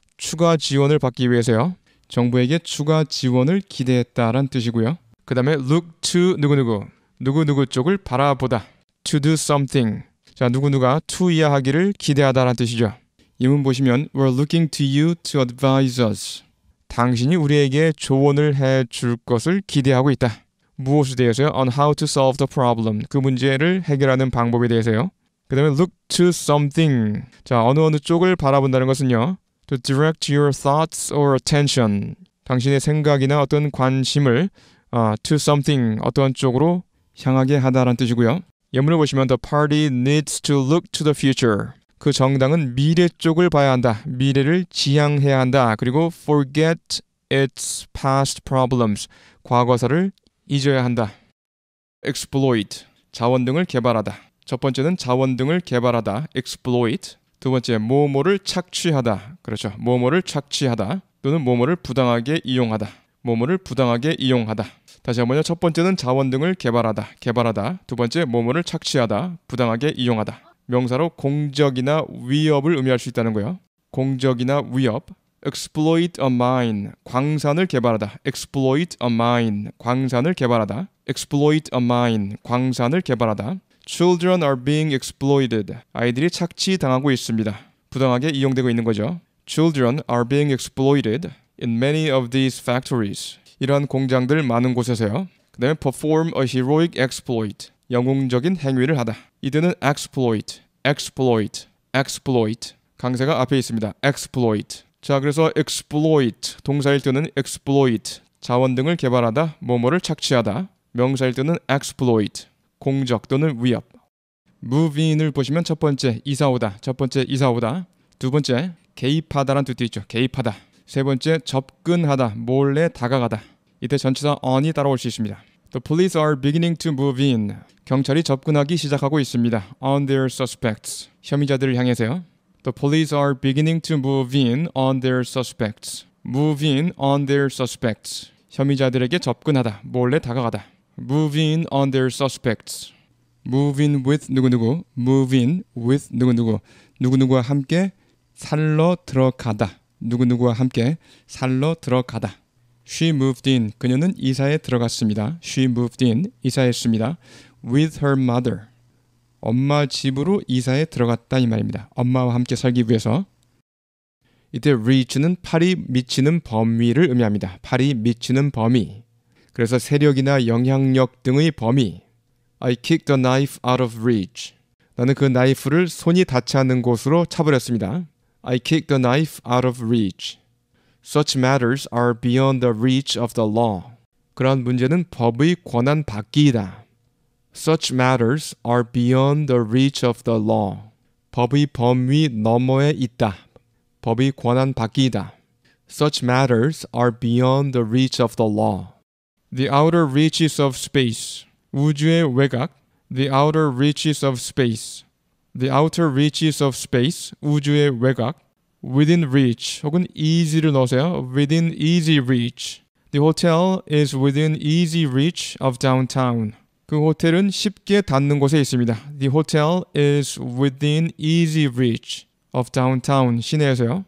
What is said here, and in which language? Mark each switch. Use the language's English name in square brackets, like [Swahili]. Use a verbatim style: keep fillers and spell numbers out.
[Korean] 추가 지원을 받기 위해서요. 정부에게 추가 지원을 기대했다란 뜻이고요. 그 다음에 look to 누구누구, 누구누구 쪽을 바라보다. [English] To do something. [Korean] 자, 누구누가 to 이하하기를 기대하다란 뜻이죠. 예문 보시면 [English] We're looking to you to advise us. [Korean] 당신이 우리에게 조언을 해줄 것을 기대하고 있다. 무엇에 대해서요? [English] On how to solve the problem. [Korean] 그 문제를 해결하는 방법에 대해서요. 그 다음에 [English] look to something. [Korean] 자, 어느 어느 쪽을 바라본다는 것은요. [English] To direct your thoughts or attention. [Korean] 당신의 생각이나 어떤 관심을 아, to something, 어떤 쪽으로 향하게 하다라는 뜻이고요. 예문을 보시면 [English] The party needs to look to the future. [Korean] 그 정당은 미래 쪽을 봐야 한다. 미래를 지향해야 한다. 그리고 [English] forget its past problems. [Korean] 과거사를 잊어야 한다. exploit. 자원 등을 개발하다. 첫 번째는 자원 등을 개발하다. [English] exploit. [Korean] 두 번째, 뭐뭐를 착취하다. 그렇죠. 뭐뭐를 착취하다. 또는 뭐뭐를 부당하게 이용하다. 뭐뭐를 부당하게 이용하다. 다시 한번요. 첫 번째는 자원 등을 개발하다. 개발하다. 두 번째, 뭐뭐를 착취하다. 부당하게 이용하다. 명사로 공적이나 위협을 의미할 수 있다는 거예요. 공적이나 위협. exploit a mine. 광산을 개발하다. [English] exploit a mine. [Korean] 광산을 개발하다. [English] exploit a mine. [Korean] 광산을 개발하다. [English] Children are being exploited. [Korean] 아이들이 착취당하고 있습니다. 부당하게 이용되고 있는 거죠. [English] Children are being exploited in many of these factories. [Korean] 이러한 공장들 많은 곳에서요. 그 다음에 [English] perform a heroic exploit. [Korean] 영웅적인 행위를 하다. [English] 이들은 exploit, exploit, exploit. [Korean] 강세가 앞에 있습니다. exploit. 자, 그래서 exploit. 동사일 때는 exploit. 자원 등을 개발하다. 뭐뭐를 착취하다. 명사일 때는 exploit. 공적 또는 위협. Move in을 보시면 첫 번째 이사오다, 첫 번째 이사오다, 두 번째 개입하다란 뜻도 있죠. 개입하다. 세 번째 접근하다, 몰래 다가가다. 이때 전치사 on이 따라올 수 있습니다. [English] The police are beginning to move in. [Korean] 경찰이 접근하기 시작하고 있습니다. [English] On their suspects. [Korean] 혐의자들을 향해서요. [English] The police are beginning to move in on their suspects. Move in on their suspects. [Korean] 혐의자들에게 접근하다, 몰래 다가가다. [English] Move in on their suspects. Move in with 누구누구. Move in with 누구누구. [Korean] 누구누구와 함께 살러 들어가다. 누구누구와 함께 살러 들어가다. [English] She moved in. [Korean] 그녀는 이사에 들어갔습니다. [English] She moved in. [Korean] 이사했습니다. [English] With her mother. [Korean] 엄마 집으로 이사에 들어갔다 이 말입니다. 엄마와 함께 살기 위해서. 이때 reach는 팔이 미치는 범위를 의미합니다. 팔이 미치는 범위. 그래서 세력이나 영향력 등의 범위. [English] I kicked the knife out of reach. [Korean] 나는 그 나이프를 손이 닿지 않는 곳으로 차버렸습니다. [English] I kicked the knife out of reach. Such matters are beyond the reach of the law. [Korean] 그러한 문제는 법의 권한 밖이다. [English] Such matters are beyond the reach of the law. [Korean] 법의 범위 너머에 있다. 법의 권한 밖이다. [English] Such matters are beyond the reach of the law. The outer reaches of space. [Korean] 우주의 외곽. [English] The outer reaches of space. The outer reaches of space. [Korean] 우주의 외곽. [English] Within reach. [Korean] 혹은 easy를 넣으세요. [English] Within easy reach. The hotel is within easy reach of downtown. [Korean] 그 호텔은 쉽게 닿는 곳에 있습니다. [English] The hotel is within easy reach of downtown. [Korean] 시내에서요.